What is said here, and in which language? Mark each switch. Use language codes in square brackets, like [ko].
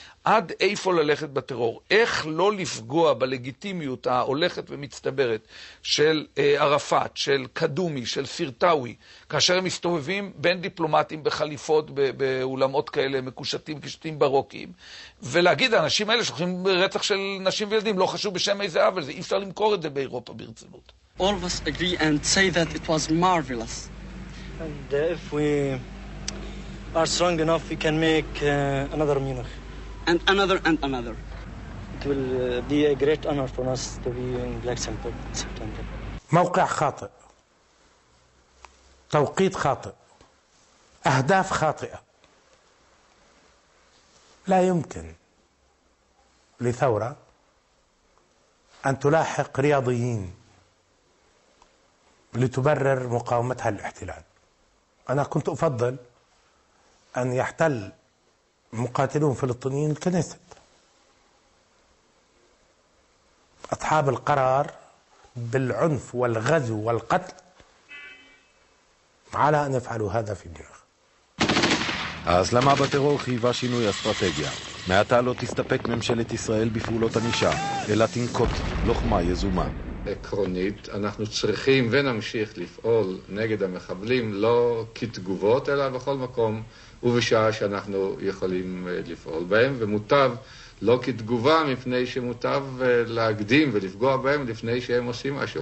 [he] עד איפה ללכת בטרור? איך לא לפגוע בלגיטימיות ההולכת ומצטברת של ערפאת, של קדומי, של סירטאווי, כאשר הם מסתובבים בין דיפלומטים בחליפות באולמות כאלה, מקושטים, קשטים ברוקיים, ולהגיד, האנשים האלה שולחים רצח של נשים וילדים, לא חשוב בשם איזה עוול, זה אי אפשר למכור את זה באירופה ברצינות. [en] All of us agree and say that it was marvelous. And if we are strong enough, we can make another Munich. And another and another. It will be a great honor for us to be in Black Center in September. [ar] موقع خاطئ. توقيت خاطئ. أهداف خاطئة. لا يمكن لثورة أن تلاحق رياضيين لتبرر مقاومتها للاحتلال. أنا كنت أفضل أن يحتل مقاتلون فلسطينيين الكنيسة. أصحاب القرار بالعنف والغزو والقتل على أن يفعلوا هذا في ميونخ. [he] ההסלמה בטרור חייבה שינוי אסטרטגיה. מעטה לא תסתפק ממשלת ישראל בפעולות הנישה, אלא תנקוט לוחמה יזומה. עקרונית, אנחנו צריכים ונמשיך לפעול נגד המחבלים, לא כתגובות, אלא בכל מקום, ובשעה שאנחנו יכולים לפעול בהם, ומוטב לא כתגובה מפני שמוטב להקדים ולפגוע בהם לפני שהם עושים משהו.